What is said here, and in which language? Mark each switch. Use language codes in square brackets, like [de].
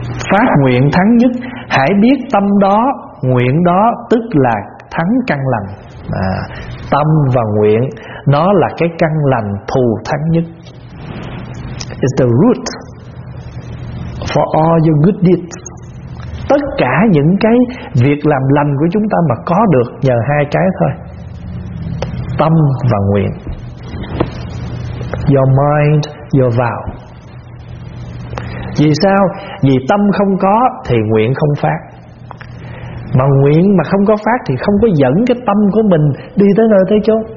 [vi] Phát nguyện thắng nhất, hãy biết tâm đó, nguyện đó tức là thắng căn lành. Tâm và nguyện nó là cái căn lành thù thắng nhất. [en] It's the root for all your good deeds. [vi] Tất cả những cái việc làm lành của chúng ta mà có được nhờ hai cái thôi: tâm và nguyện. [en] Your mind, your vow. [vi] Vì sao? Vì tâm không có thì nguyện không phát. Mà nguyện mà không có phát thì không có dẫn cái tâm của mình đi tới nơi tới chỗ.